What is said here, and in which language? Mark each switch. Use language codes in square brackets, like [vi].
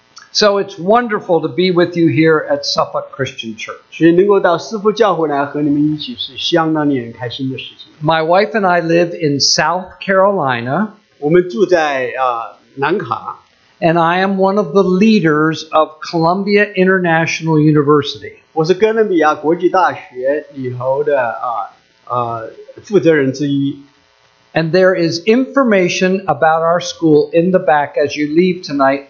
[en] So it's wonderful to be with you here at Suffolk Christian Church. My wife and I live in South Carolina. [zh] 我们住在南卡, [en] and I am one of the leaders of Columbia International University. [zh] 我是哥伦比亚国际大学里头的负责人之一。 [en] And there is information about our school in the back as you leave tonight.